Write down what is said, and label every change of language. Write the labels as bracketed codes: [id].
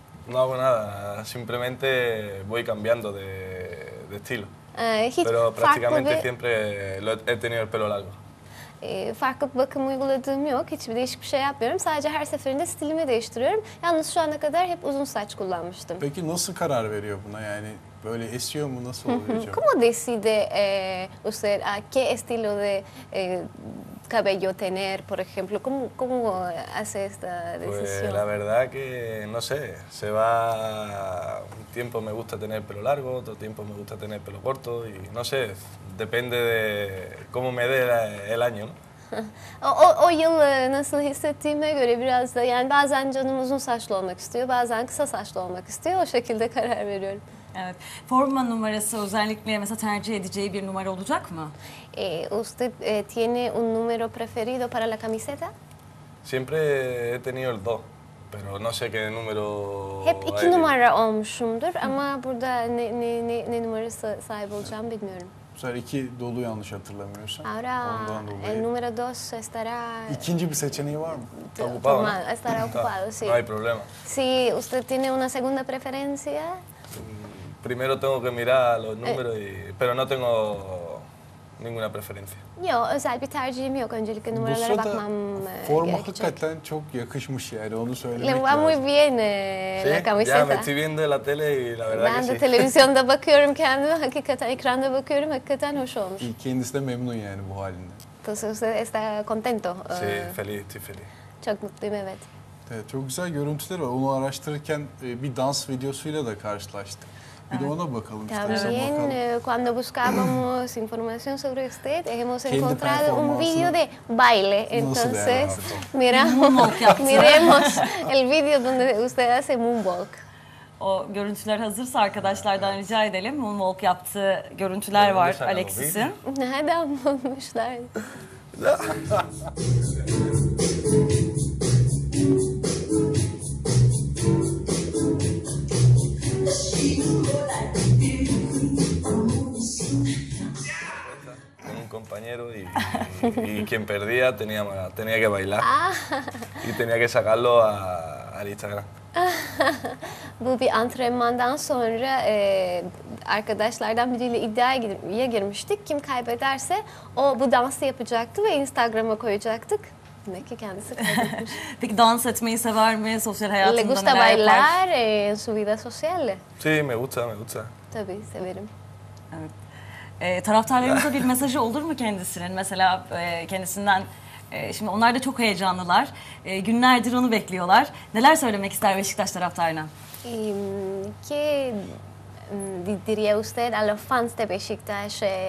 [es] No hago nada, simplemente voy cambiando de estilo. Pero prácticamente siempre he tenido el pelo largo. [tr] Farklı bir bakım uyguladığım yok. Hiçbir değişik bir şey yapmıyorum. Sadece her seferinde stilimi değiştiriyorum. Yalnız şu ana kadar hep uzun saç kullanmıştım. Peki nasıl karar veriyor buna? Yani böyle esiyor mu? Nasıl oluyor? [es] ¿Cómo decide usted a qué estilo de cabello tener, por ejemplo? ¿Cómo hace esta decisión? Pues la verdad que no sé. Se va un tiempo me gusta tener pelo largo, otro tiempo me gusta tener pelo corto y no sé. Depende de cómo me dé el año, ¿no? [tr] O yıl nasıl hissettiğime göre biraz da yani bazen canım uzun saçlı olmak istiyor, bazen kısa saçlı olmak istiyor. O şekilde karar veriyorum. Evet. Forma numarası özellikle mesela tercih edeceği bir numara olacak mı? [es] Usted tiene un número preferido para la camiseta? Siempre he tenido el 2. Pero no sé qué número. [tr] Hep iki numara olmuşumdur ama burada ne numarası sahip olacağım bilmiyorum. Sen iki dolu yanlış hatırlamıyorsan. [es] Ahora, el número dos estará... [tr] İkinci bir seçeneği var mı? [es] Ocupado, ¿no? Estará ocupado, sí. No hay problema. Si usted tiene una segunda preferencia... Primero tengo que mirar los números y... Pero no tengo ninguna preferencia. [tr] Yo, özel bir tercihim yok. Öncelikle numaralara bakmam gerekecek. Bu forma hakikaten çok yakışmış yani, onu söylemek lazım. [es] Le va muy bien la camiseta. Ya me estoy viendo la tele y la verdad que sí. [tr] Ben de televizyonda bakıyorum kendime. Hakikaten ekranda bakıyorum. Hakikaten hoş olmuş. Kendisi de memnun yani bu halinde. [es] Entonces usted está contento. Sí, feliz, estoy feliz. [tr] Çok mutluyum, evet. Evet, çok güzel görüntüler var. Onu araştırırken bir dans videosuyla da karşılaştık. [es] También cuando buscábamos información sobre usted hemos encontrado un video de baile, entonces miremos el video donde usted hace moonwalk. [tr] O görüntüler hazırsa arkadaşlardan rica edelim, moonwalk yaptığı görüntüler var Alexis'in. Nereden bulmuşlar? [es] Compañero y quien perdía tenía que bailar y tenía que sacarlo al Instagram. [tr] Bu bir antrenmandan sonra arkadaşlardan biriyle iddiaya girmiştik. Kim kaybederse o bu dansı yapacaktı ve Instagram'a koyacaktık. Demek ki kendisi kaybetmiş. Peki dans etmeyi sever mi? Sosyal hayatında [es] le gusta bailar en su vida social? Sí, me gusta, me gusta. [tr] Tabii, severim. Evet. Taraftarlarımıza bir mesajı olur mu kendisinin? Mesela kendisinden, şimdi onlar da çok heyecanlılar. Günlerdir onu bekliyorlar. Neler söylemek ister Beşiktaş taraftarına? [es] ¿Qué diría usted a los fans de Beşiktaş?